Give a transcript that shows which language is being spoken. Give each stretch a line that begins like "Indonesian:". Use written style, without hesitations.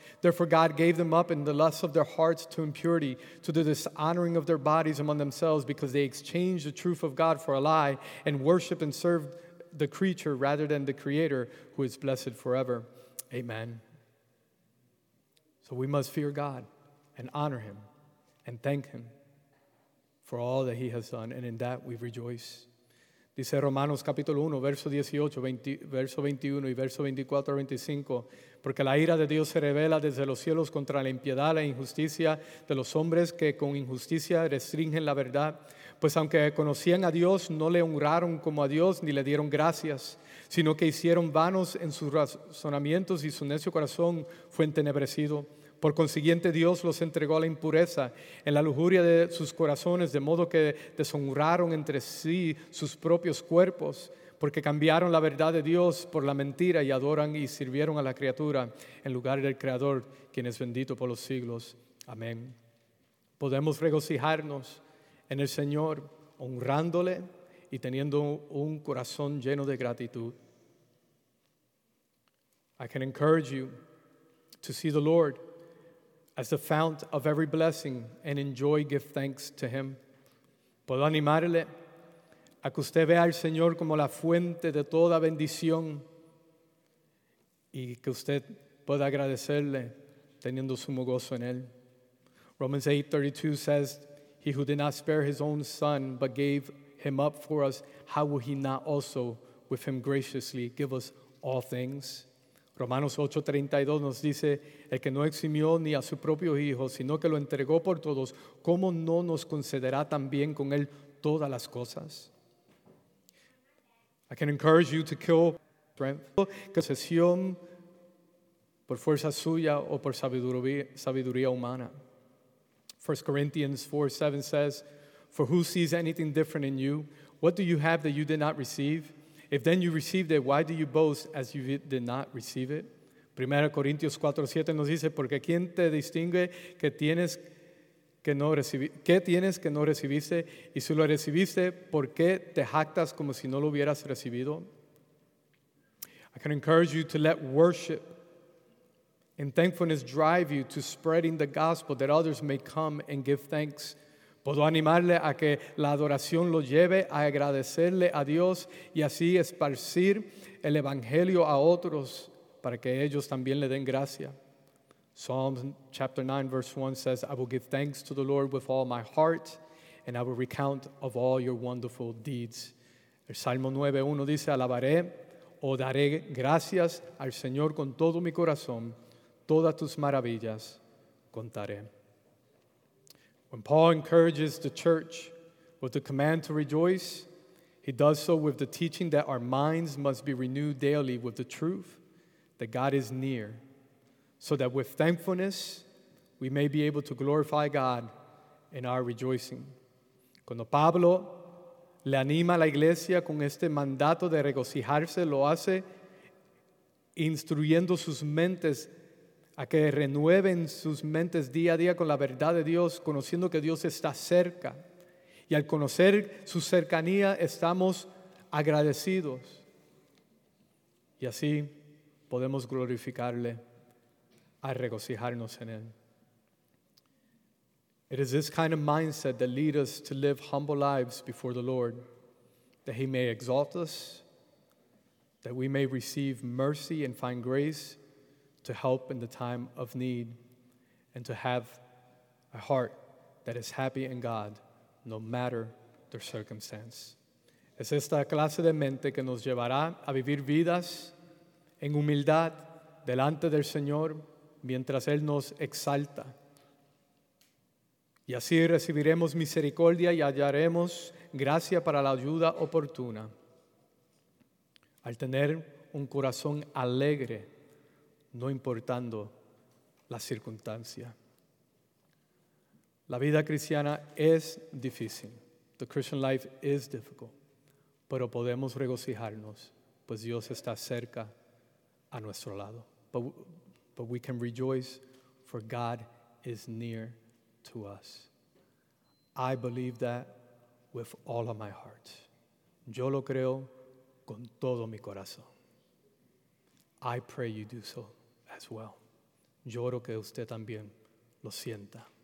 English: Therefore God gave them up in the lust of their hearts to impurity, to the dishonoring of their bodies among themselves, because they exchanged the truth of God for a lie and worship and serve the creature rather than the Creator, who is blessed forever. Amen. So we must fear God and honor Him and thank Him for all that He has done, and in that we rejoice.
Spanish: Dice Romanos capítulo 1, verso 18, 20, verso 21 y verso 24 a 25, porque la ira de Dios se revela desde los cielos contra la impiedad, la injusticia de los hombres que con injusticia restringen la verdad. Pues aunque conocían a Dios, no le honraron como a Dios ni le dieron gracias, sino que hicieron vanos en sus razonamientos y su necio corazón fue entenebrecido. Por consiguiente, Dios los entregó a la impureza en la lujuria de sus corazones, de modo que deshonraron entre sí sus propios cuerpos, porque cambiaron la verdad de Dios por la mentira y adoran y sirvieron a la criatura en lugar del Creador, quien es bendito por los siglos. Amén. Podemos regocijarnos en el Señor, honrándole y teniendo un corazón lleno de gratitud.
English: I can encourage you to see the Lord as the fount of every blessing and enjoy, give thanks to Him.
Spanish: Puedo animarle a que usted vea al Señor como la fuente de toda bendición y que usted pueda agradecerle teniendo sumo gozo en Él.
English: Romans 8:32 says, He who did not spare His own Son but gave Him up for us, how will He not also with Him graciously give us all things?
Spanish: Romanos 8:32 nos dice, El que no eximió ni a su propio Hijo, sino que lo entregó por todos, ¿cómo no nos concederá también con Él todas las cosas?
English: I can encourage you to kill strength,
Spanish: concesión por fuerza suya o por sabiduría humana.
English: 1 Corinthians 4:7 says, For who sees anything different in you? What do you have that you did not receive? If then you received it, why do you boast as you did not receive it?
Spanish: 1 Corintios 4:7 nos dice, Porque quién te distingue que tienes que no recibiste? Y si lo recibiste, ¿por qué te jactas como si no lo hubieras recibido?
English: I can encourage you to let worship and thankfulness drive you to spreading the gospel that others may come and give thanks.
Spanish: Puedo animarle a que la adoración lo lleve a agradecerle a Dios y así esparcir el evangelio a otros para que ellos también le den gracia.
English: Psalms chapter 9 verse 1 says, I will give thanks to the Lord with all my heart and I will recount of all your wonderful deeds.
Spanish: El Salmo 9:1 dice, alabaré o daré gracias al Señor con todo mi corazón, todas tus maravillas contaré.
English: When Paul encourages the church with the command to rejoice, he does so with the teaching that our minds must be renewed daily with the truth that God is near, so that with thankfulness we may be able to glorify God in our rejoicing.
Spanish: Cuando Pablo le anima a la iglesia con este mandato de regocijarse, lo hace instruyendo sus mentes a que renueven sus mentes día a día con la verdad de Dios, conociendo que Dios está cerca. Y al conocer su cercanía, estamos agradecidos. Y así podemos glorificarle al regocijarnos en él.
English: It is this kind of mindset that leads us to live humble lives before the Lord, that he may exalt us, that we may receive mercy and find grace to help in the time of need, and to have a heart that is happy in God, no matter the circumstance.
Spanish: Es esta clase de mente que nos llevará a vivir vidas en humildad delante del Señor mientras Él nos exalta. Y así recibiremos misericordia y hallaremos gracia para la ayuda oportuna. Al tener un corazón alegre, no importando la circunstancia. La vida cristiana es difícil.
English: The Christian life is difficult.
Spanish: Pero podemos regocijarnos, pues Dios está cerca a nuestro lado.
English: But we can rejoice, for God is near to us. I believe that with all of my heart.
Spanish: Yo lo creo con todo mi corazón.
English: I pray you do so as well.
Spanish: Yo oro que usted también lo sienta.